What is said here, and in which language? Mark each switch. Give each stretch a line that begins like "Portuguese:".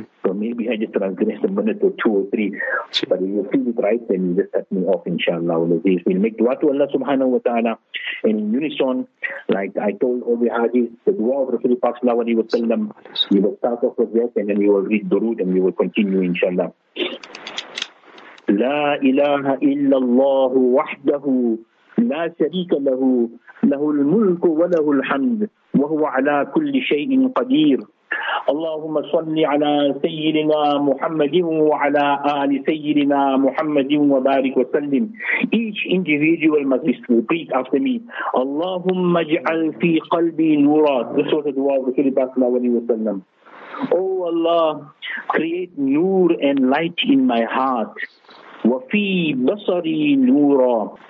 English: So maybe I just transgressed a minute or two or three. But if you feel it right, then you just cut me off, inshallah. We'll make dua to Allah subhanahu wa ta'ala. And in unison, like I told all the hadith, the dua of Rasulullah sallallahu alayhi wa sallam, you will start off with that, and then you will read durood, and you will continue, inshallah.
Arabic: La ilaha illallah wahdahu لا شريك له له الملك وله الحمد وهو على كل شيء قدير اللهم صل على سيدنا محمد وعلى آل سيدنا محمد وبارك وسلم.
English: Each individual must repeat after me.
Arabic: اللهم اجعل في قلبي نورا.
English: This was the dua of the Prophet. Oh Allah, create nur and light in my heart.
Arabic: وَفِي بَصَرِي نُورًا.